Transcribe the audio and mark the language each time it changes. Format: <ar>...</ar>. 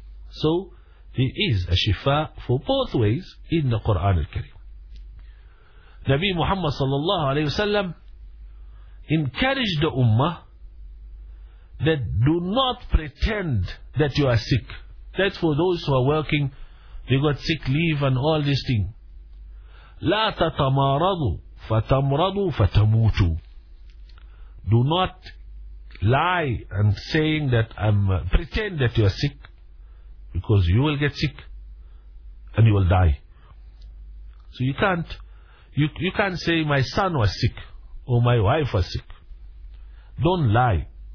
<en>So, there is a shifa for both ways in the Quran al-Kareem. Nabi Muhammad sallallahu alayhi wa sallam encouraged the ummah that do not pretend that you are sick. That's for those who are working, they got sick leave and all these things.</en> <ar>لا تتمارضوا فتمرضوا فتموتوا.</ar> <en>Do not lie and saying that pretend that you are sick, because you will get sick and you will die. So you can't you can't say my son was sick or my wife was sick. Don't lie.</en>